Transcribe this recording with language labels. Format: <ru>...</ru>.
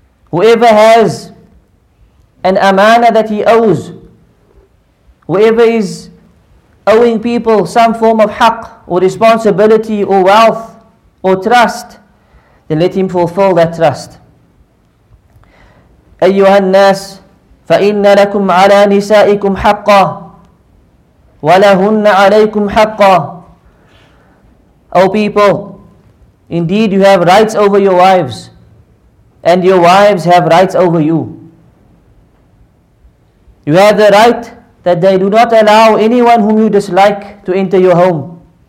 <en>Whoever has an amana that he owes, whoever is owing people some form of haqq or responsibility or wealth or trust, then let him fulfill that trust.</en> <ar>أيها الناس فإن لكم على نسائكم حقا ولهن عليكم حقا.</ar> <en>O people, indeed you have rights over your wives, and your wives have rights over you. You have the right that they do not allow anyone whom you dislike to enter your home.</en>